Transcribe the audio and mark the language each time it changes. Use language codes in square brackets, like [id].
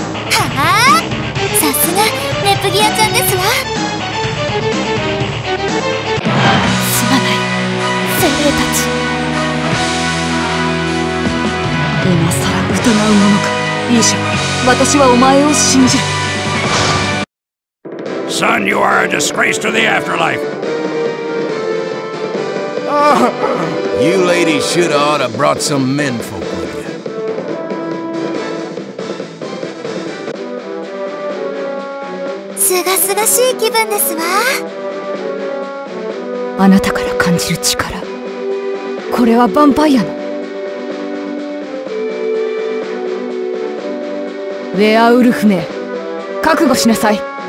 [ja] はあ、さすがネプギアちゃんですわ。すまない精霊たち。今さら疑うものか。いいじゃん、私はお前を信じる。 [en] Son, you are a disgrace to the afterlife. You ladies should ought to brought some menfolk with you. [ja] すがすがしい気分ですわ。あなたから感じる力、これはヴァンパイアの。ウェアウルフめ、覚悟しなさい。